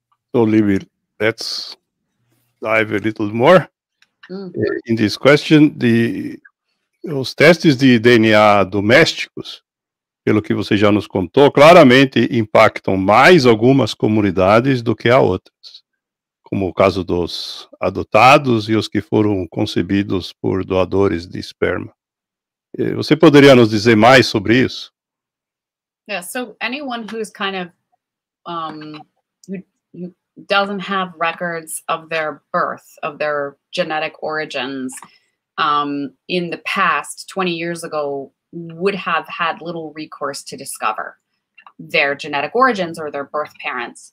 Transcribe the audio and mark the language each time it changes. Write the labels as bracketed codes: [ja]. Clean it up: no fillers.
[en] So, Libby, let's dive a little more in this question. [pt] Os testes de DNA domésticos, pelo que você já nos contou, claramente impactam mais algumas comunidades do que a outras, como o caso dos adotados e os que foram concebidos por doadores de esperma. Você poderia nos dizer mais sobre isso? [en] Yeah, so anyone who's kind of who doesn't have records of their birth, of their genetic origins, in the past, 20 years ago, would have had little recourse to discover their genetic origins or their birth parents.